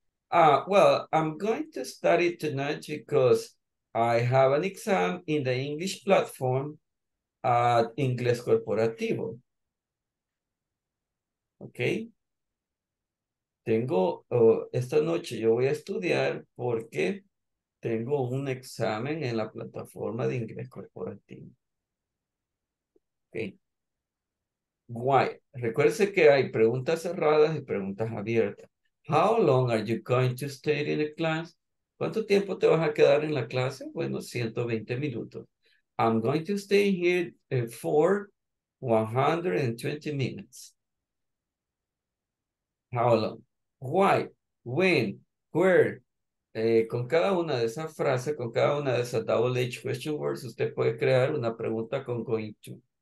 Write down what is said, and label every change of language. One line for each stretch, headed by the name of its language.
English: Well, I'm going to study tonight because I have an exam in the English platform at Inglés Corporativo. Okay.
Spanish: Tengo, esta noche yo voy a estudiar porque tengo un examen en la plataforma de inglés corporativo.
English: Okay. Why?
Spanish: Recuerde que hay preguntas cerradas y preguntas abiertas.
English: How long are you going to stay in the class?
Spanish: ¿Cuánto tiempo te vas a quedar en la clase? Bueno, 120 minutos.
English: I'm going to stay here for 120 minutes. How long? Why, when, where,
Spanish: con cada una de esas frases, con cada una de esas
English: double H question words,
Spanish: usted puede crear una pregunta con
English: going to.